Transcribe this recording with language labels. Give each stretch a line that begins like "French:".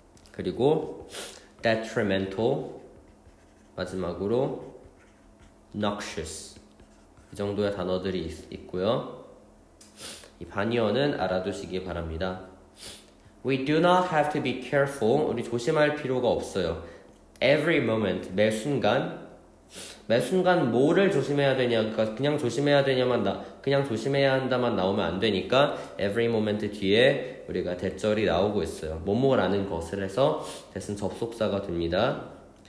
Korean: 그리고 detrimental. 마지막으로 noxious. 이 정도의 단어들이 있고요. 이 반의어는 알아두시기 바랍니다.
English: We do not have to be careful.
Korean: 우리 조심할 필요가 없어요.
English: Every moment,
Korean: 매 순간. 매 순간 뭐를 조심해야 되냐. 그러니까 그냥 조심해야 되냐만, 그냥 조심해야 한다만 나오면 안 되니까 every moment 뒤에 우리가 대절이 나오고 있어요. 뭐뭐라는 것을 해서 대신 접속사가 됩니다.